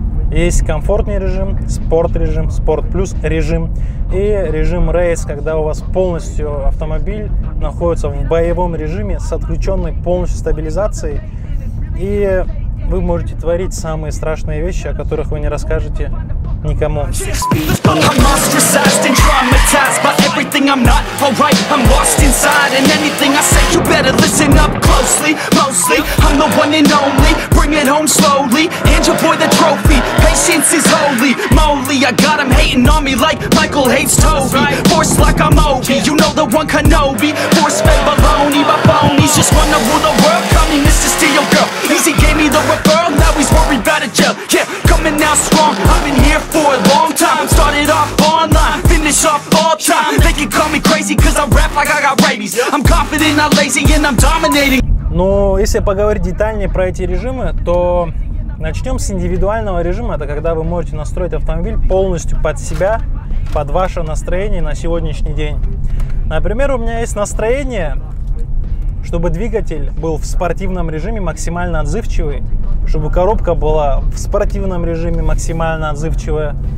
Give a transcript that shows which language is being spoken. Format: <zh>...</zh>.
<ru>Есть комфортный режим, спорт режим, спорт плюс режим. И режим рейс, когда у вас полностью автомобиль находится в боевом режиме с отключенной полностью стабилизацией. И вы можете творить самые страшные вещи, о которых вы не расскажете никому.</ru> <en>I'm ostracized and traumatized by everything. I'm not alright, I'm lost inside. And anything I say, you better listen up closely. Mostly, I'm the one and only. Bring it home slowly, hand your boy the trophy. Patience is holy moly. I got him hating on me like Michael hates Toby. Force like I'm Obi, you know the one Kenobi. Force fed baloney by phonies. Just wanna rule the world, call me Mr. Steel Girl. Easy gave me the referral, now he's worried about a gel. Yeah, coming out strong, I've been here for a long time. Started off online, finish off all time. They can call me crazy, cause I rap like I got rabies. I'm confident, not lazy, and I'm dominating.</en> <ru>Ну, если поговорить детальнее про эти режимы, то начнем с индивидуального режима. Это когда вы можете настроить автомобиль полностью под себя, под ваше настроение на сегодняшний день. Например, у меня есть настроение, чтобы двигатель был в спортивном режиме максимально отзывчивый, чтобы коробка была в спортивном режиме максимально отзывчивая.</ru>